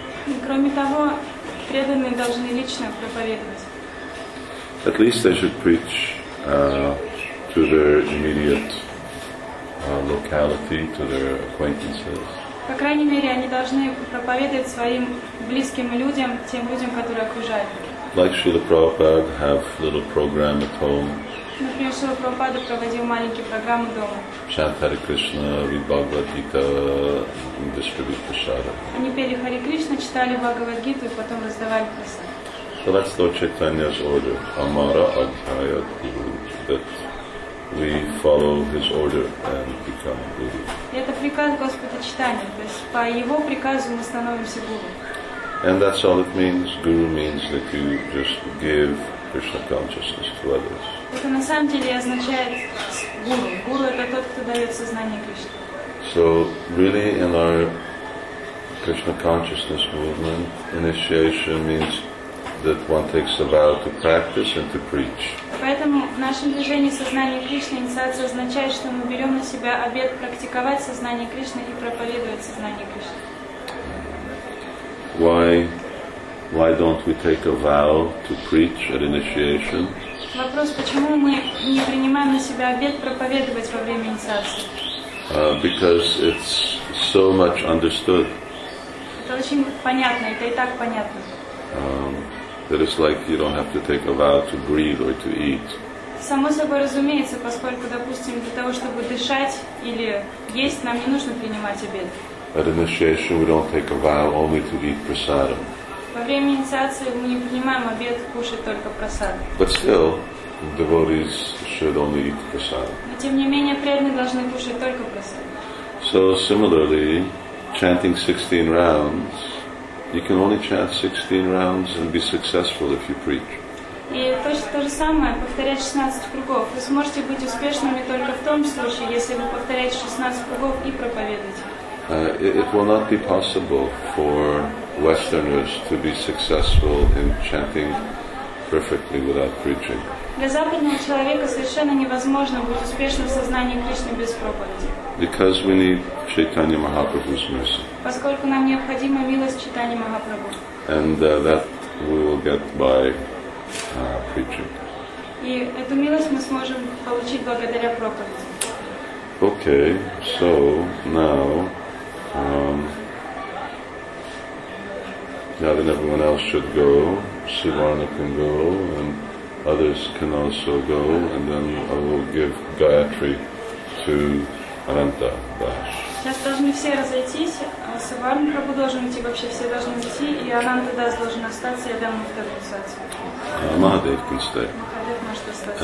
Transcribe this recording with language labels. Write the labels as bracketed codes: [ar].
[ru] И кроме того, преданные должны лично проповедовать. [en] At least they should preach to their immediate locality, to their acquaintances. [ru] По крайней мере, они должны проповедовать своим близким людям, тем людям, которые окружают. [en] Like Srila Prabhupada have little program at home. [ru] Например, Шрила Прабхупада проводил маленькие программы дома. [en] Chant Hare Krishna, read Bhagavad Gita, and distribute prasada. [ru] Они пели Хари Кришна, читали Бхагавад Гиту и потом раздавали прасад. [en] So that's Lord Chaitanya's order, Amara Adhaya Guru, that we follow his order and become Guru. [ru] Это приказ Господа Чайтаньи, то есть по его приказу мы становимся Гуру. [en] And that's all it means. Guru means that you just give Krishna consciousness to others. [ru] Это на самом деле означает Гуру. Гуру — это тот, кто дает сознание Кришне. [en] So really in our Krishna consciousness movement, initiation means that one takes a vow to practice and to preach. [ru] Поэтому в нашем движении сознания Кришны инициация означает, что мы берем на себя обет практиковать сознание Кришны и проповедовать сознание Кришны. [en] Why don't we take a vow to preach at initiation? [ru] Вопрос, почему мы не принимаем на себя обет проповедовать во время инициации? [en] Because it's so much understood. [ru] Это очень понятно, это и так понятно. [en] That it's like you don't have to take a vow to breathe or to eat. [ru] Само собой разумеется, поскольку, допустим, для того, чтобы дышать или есть, нам не нужно принимать обет. [en] At initiation, we don't take a vow only to eat prasadam. [ru] Во время инициации мы не принимаем обет кушать только прасад. [en] But still, devotees should only eat prasadam. [ru] Но тем не менее, преданные должны кушать только прасад. [en] So similarly, chanting 16 rounds, you can only chant 16 rounds and be successful if you preach. [ru] И точно то же самое, повторять 16 кругов. Вы сможете быть успешными только в том случае, если вы повторяете 16 кругов и проповедуете. [en] It will not be possible for Westerners to be successful in chanting perfectly without preaching. [ru] Для западного человека совершенно невозможно быть успешным в сознании Кришны без проповеди. [en] Because we need Chaitanya Mahaprabhu's mercy. [ru] Поскольку нам необходима милость Чайтаньи Махапрабху. [en] And that we will get by preaching. [ru] И эту милость мы сможем получить благодаря проповеди. [en] Okay, so now. Now then everyone else should go. Sivarna can go, and others can also go, and then I will give Gayatri to Ananta Das. [ru] Сейчас должны все разойтись. Сиварна Прабху должен идти, вообще все должны идти, и Ананта Дас должен остаться, я дам ему вторую инициацию. [en] Mahadev can stay. [ru] Mahadev может остаться.